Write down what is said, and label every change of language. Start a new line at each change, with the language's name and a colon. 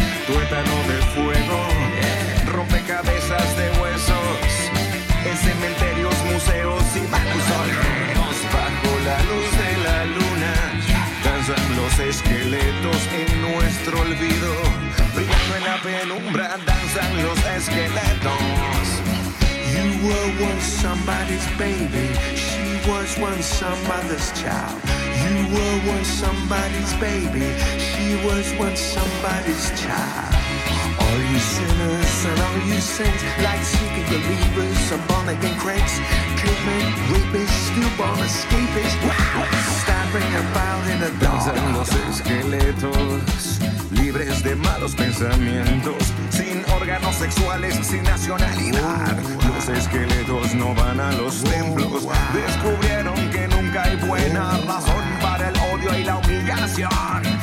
Spanish: Tuétano de fuego, rompecabezas de huesos en cementerios, museos y mausoleos bajo la luz de la luna. Danzan los esqueletos en nuestro olvido, brillando en la penumbra danzan los esqueletos.
English: You were once somebody's baby, she was once somebody's child. You were once somebody's baby, she was once somebody's child. All you sinners and all you saints, light-seeking believers, are born-again cranks, cavemen, rapists, newborn escapists, stabbing about in the dark.
Spanish: Danzan los esqueletos, libres de malos pensamientos, sin órganos sexuales, sin nacionalidad. Los esqueletos no van a los templos, descubrieron que nunca hay buena razón para el odio y la humillación.